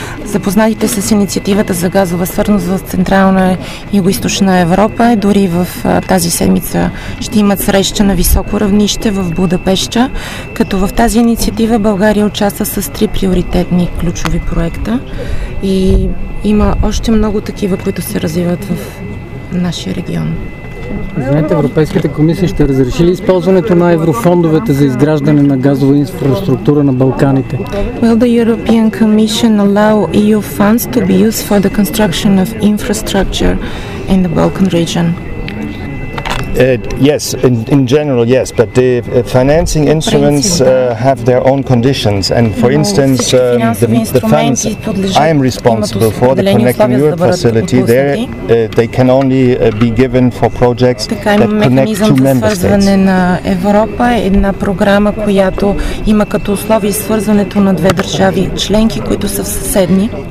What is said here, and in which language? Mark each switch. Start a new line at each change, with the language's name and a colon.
Bulgarian: Запознатите с инициативата за газова свързаност в Централна и Югоизточна Европа, дори в тази седмица ще имат среща на високо равнище в Будапеща, като в тази инициатива България участва с три приоритетни ключови проекта и има още много такива, които се развиват в нашия регион. Знаете, Европейската комисия ще разреши ли използването на еврофондовете за изграждане на газова инфраструктура на Балканите?
English: Will the European Commission allow EU funds to be used for the construction of infrastructure in the Balkan region? Yes, in general, yes, but the financing instruments have their own conditions, and for instance, the funds I am responsible for, the Connecting Europe facility, they can only be given for projects that connect two member states.
Bulgarian: Свързване на Европа е една програма, която има като условие свързването на две държави членки, които са съседни.